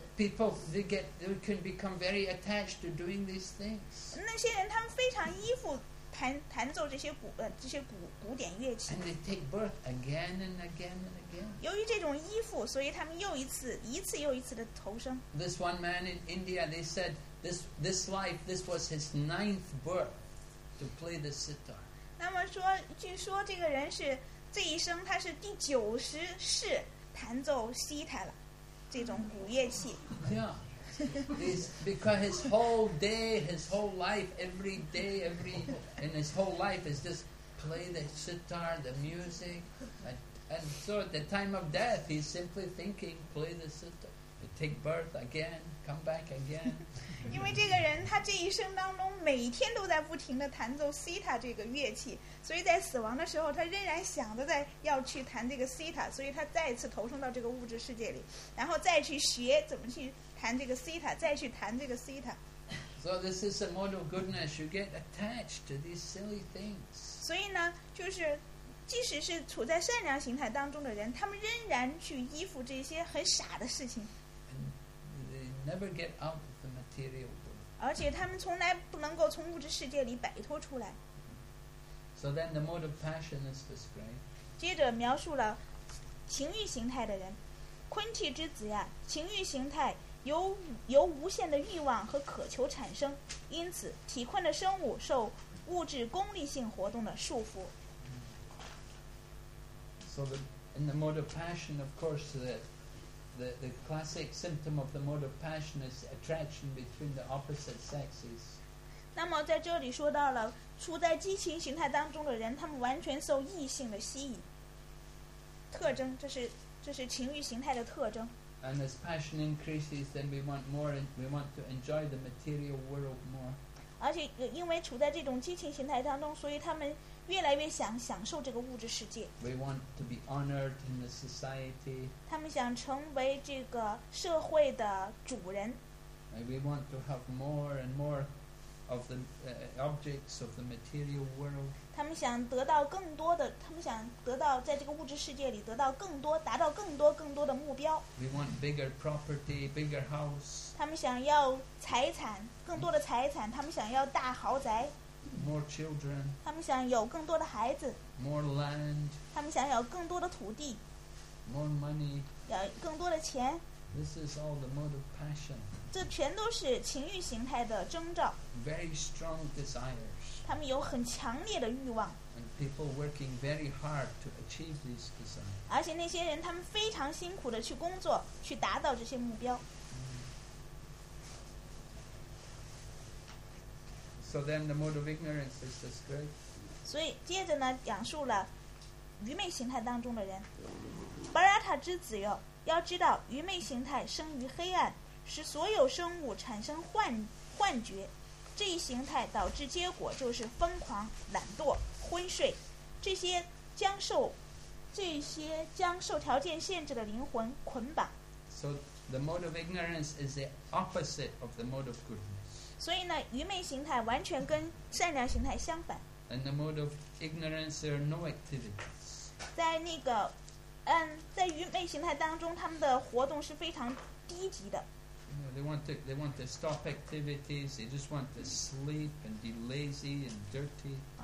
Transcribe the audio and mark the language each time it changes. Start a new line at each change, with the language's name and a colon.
English: People, they can become very attached to doing these things.
Chinese: 那些人他们非常依附弹奏这些古典乐器。
English: And they take birth again and again and again.
Chinese: 由于这种依附，所以他们又一次又一次的投生。
English: This one man in India, they said this life, this was his ninth birth to play the sitar.
Chinese: 那么说，据说这个人是这一生他是第九十世弹奏西塔了。这种古乐器。
English: Yeah, because his whole day, his whole life, every day, every in his whole life is just play the sitar, the music, and so at the time of death, he's simply thinking, play the sitar, take birth again, come back again.
Chinese: 因为这个人他这一生当中每天都在不停的弹奏西塔这个乐器，所以在死亡的时候，他仍然想着在要去弹这个西塔，所以他再次投生到这个物质世界里，然后再去学怎么去弹这个西塔，再去弹这个西塔。
English: So this is a mode of goodness. You get attached to these silly things.
Chinese: 所以呢，就是即使是处在善良形态当中的人，他们仍然去依附这些很傻的事情。
English: And they never get out of the material world.
Chinese: 而且他们从来不能够从物质世界里摆脱出来。
English: So then the mode of passion is described.
Chinese: 接着描述了情欲形态的人，昆蒂之子呀，情欲形态由无限的欲望和渴求产生，因此体困的生物受物质功利性活动的束缚。
English: So in the mode of passion, of course, the classic symptom of the mode of passion is attraction between the opposite sexes.
Chinese: 那么在这里说到了。处在激情形态当中的人，他们完全受异性的吸引。特征，这是情欲形态的特征。
English: And as passion increases, then we want more, and we want to enjoy the material world more.
Chinese: 而且因为处在这种激情形态当中，所以他们越来越想享受这个物质世界。
English: We want to be honored in the society.
Chinese: 他们想成为这个社会的主人。
English: And we want to have more and more. Of the objects of the material world.
Chinese: 他们想得到更多的，他们想得到在这个物质世界里得到更多，达到更多更多的目标。
English: We want bigger property, bigger house.
Chinese: 他们想要财产，更多的财产。他们想要大豪宅。
English: More children.
Chinese: 他们想有更多的孩子。
English: More land.
Chinese: 他们想要更多的土地。
English: More money.
Chinese: 要更多的钱。
English: This is all the mode of passion.
Chinese: 这全都是情欲形态的征兆。
English: Very strong desires.
Chinese: 他们有很强烈的欲望。
English: And people working very hard to achieve these desires.
Chinese: 而且那些人他们非常辛苦的去工作，去达到这些目标。
English: So then the mode of ignorance is described.
Chinese: 所以接着呢讲述了愚昧形态当中的人。巴拉塔之子哟，要知道愚昧形态生于黑暗，使所有生物产生 幻觉，这一形态导致结果就是疯狂、懒惰、昏睡。这些将受条件限制的灵魂捆绑。
English: So the mode of ignorance is the opposite of the mode of goodness.
Chinese: 所以呢，愚昧形态完全跟善良形态相反。
English: And the mode of ignorance there are no activities.
Chinese: 在那个，在愚昧形态当中，他们的活动是非常低级的。
English: You know, they want to stop activities. They just want to sleep and be lazy and dirty.